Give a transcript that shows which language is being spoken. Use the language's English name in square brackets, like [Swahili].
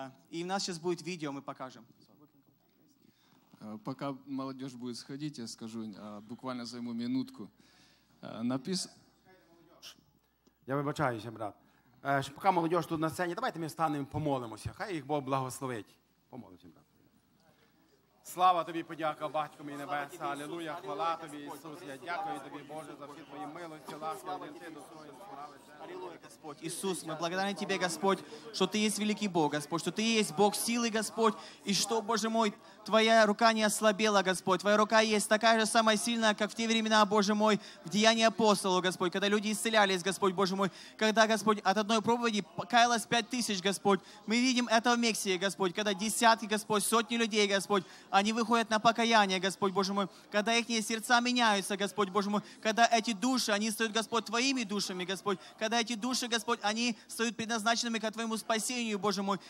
[Russian] И у нас сейчас будет видео, мы покажем. Пока молодежь будет сходить, я скажу, буквально займу минутку. [Ukrainian] Я вибачаюся, брат. [Russian] Пока молодежь тут на сцене, давайте [Ukrainian] ми встанемо, помолимося. Хай їх Бог благословить. Помолимося, брат. Слава тобі, подяка, Батько мій небеса. Алілуя, хвала тобі, Ісус. Я дякую тобі, Боже, за всі твої милості, ласки, один до своєї слави. Господь. [Russian] Иисус, мы благодарны Тебе, Господь, что Ты есть великий Бог, Господь, что Ты есть Бог силы, Господь, и что, Боже мой, Твоя рука не ослабела, Господь, Твоя рука есть такая же самая сильная, как в те времена, Боже мой, в деянии апостолов, Господь, когда люди исцелялись, Господь, Боже мой, когда, Господь, от одной проповеди покаялось 5000, Господь, мы видим это в Мексике, Господь, когда десятки, Господь, сотни людей, Господь, они выходят на покаяние, Господь, Боже мой, когда их сердца меняются, Господь, Боже мой, когда эти души, они стают, Господь, Твоими душами, Господь, когда эти души, Господь, они стоят предназначенными ко Твоему спасению, Боже мой.